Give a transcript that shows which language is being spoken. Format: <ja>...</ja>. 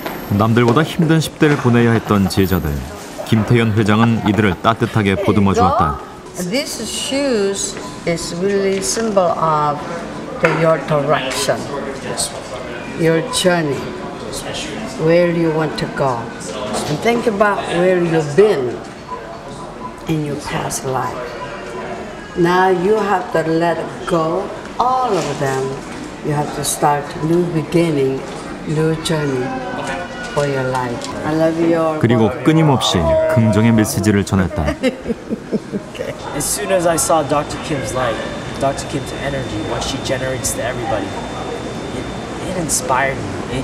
<ko>남들보다 힘든 10대를 보내야 했던 제자들. 김태연 회장은 이들을 따뜻하게 보듬어 주었다.</ko> <en>This shoes is really symbol of the, your direction, your journey, where you want to go. And think about where you've been in your past life. Now you have to let go all of them. You have to start a new beginning, new journey. For your life. I love your</en> <ko>그리고 끊임없이 긍정의 메시지를 전했다.</ko> <en>As soon as I saw Dr. Kim's light, Dr. Kim's energy, what she generates to everybody, it inspired me.</en>